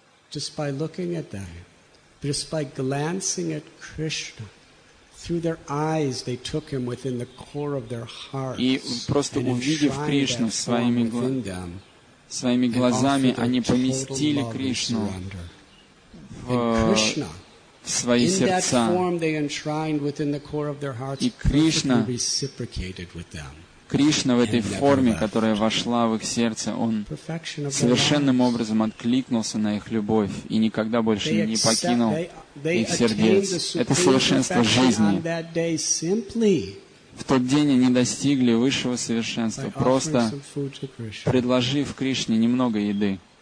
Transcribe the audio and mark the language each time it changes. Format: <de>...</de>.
<en>Just by looking at them, just by glancing at Krishna, through their eyes they took him within the core of their hearts.</en> <ru>И просто увидев Кришну своими глазами, они поместили Кришну в свои сердца.</ru> <en>In that form they enshrined within the core of their hearts.</en> <ru>И Кришна</ru> <en>reciprocated with them.</en> <ru>Кришна в этой форме, которая вошла в их сердце, Он совершенным образом откликнулся на их любовь и никогда больше не покинул их сердец. Это совершенство жизни. В тот день они достигли высшего совершенства, просто предложив Кришне немного еды.</ru>